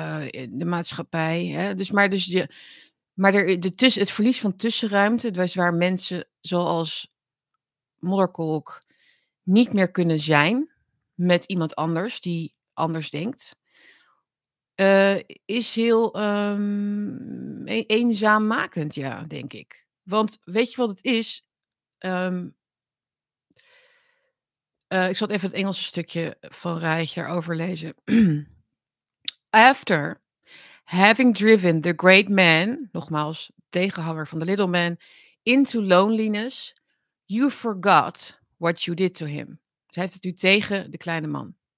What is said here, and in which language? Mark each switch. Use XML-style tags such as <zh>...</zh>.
<nl>In de maatschappij. Hè? Het verlies van tussenruimte, dus waar mensen zoals Modderkolk niet meer kunnen zijn met iemand anders die anders denkt. Is heel eenzaammakend, ja, denk ik. Want weet je wat het is? Ik zal even het Engelse stukje van Reich daarover lezen.</nl> <en>After having driven the great man,</en> <nl>nogmaals tegenhanger van de</nl> <en>little man, into loneliness, you forgot what you did to him.</en> <nl>Zij heeft het nu tegen de kleine man.</nl>